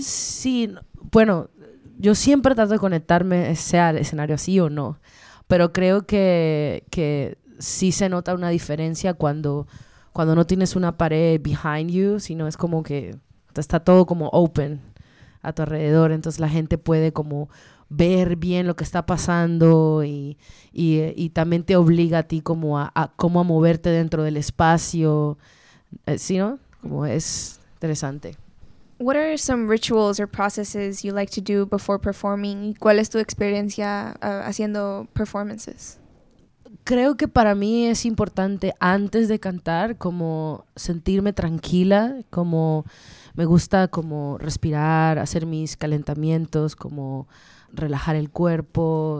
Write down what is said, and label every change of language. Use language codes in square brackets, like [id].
[es] Sí, bueno, yo siempre trato de conectarme, sea el escenario así o no, pero creo que sí se nota una diferencia cuando no tienes una pared [en] behind you, [es] sino es como que está todo como open a tu alrededor, entonces la gente puede como ver bien lo que está pasando y también te obliga a ti como a moverte dentro del espacio, ¿sí, no? Como es interesante. [en] What are some rituals or processes you like to do before performing? [es] ¿Cuál es tu experiencia haciendo performances? Creo que para mí es importante antes de cantar como sentirme tranquila, como me gusta como respirar, hacer mis calentamientos, como relajar el cuerpo.